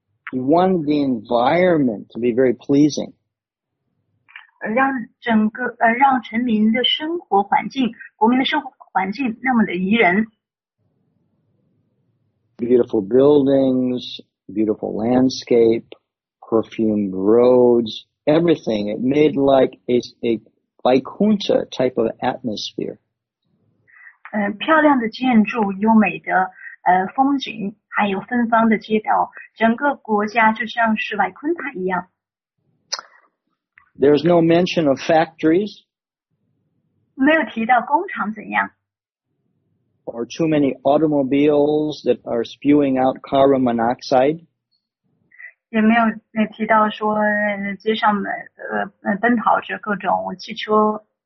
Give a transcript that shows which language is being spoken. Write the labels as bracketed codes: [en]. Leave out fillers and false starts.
[en] He wanted the environment to be very pleasing. [zh] 让整个让臣民的生活环境，国民的生活环境那么的宜人。 [en] Beautiful buildings, beautiful landscape, perfumed roads, everything. It made like a Vaikuntha type of atmosphere. [zh] 漂亮的建筑，优美的风景，还有芬芳的街道，整个国家就像是瓦昆塔一样。 [en] There's no mention of factories. [zh] 没有提到工厂怎样。 [en] Or too many automobiles that are spewing out carbon monoxide. [zh] 也没有提到说街上奔跑着各种汽车。